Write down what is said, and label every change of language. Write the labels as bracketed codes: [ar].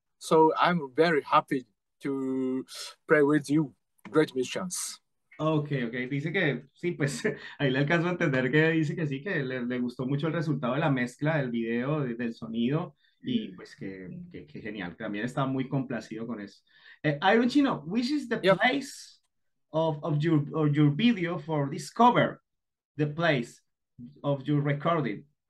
[en] So I'm very happy to play with you. Great musicians. [es] Ok, dice que sí, pues ahí le alcanzo a entender que dice que sí, que le gustó mucho el resultado de la mezcla del video, del sonido, y pues que genial, también está muy complacido con eso. [en] Iron Chino, which is the place of your video for this cover, the place of your recording?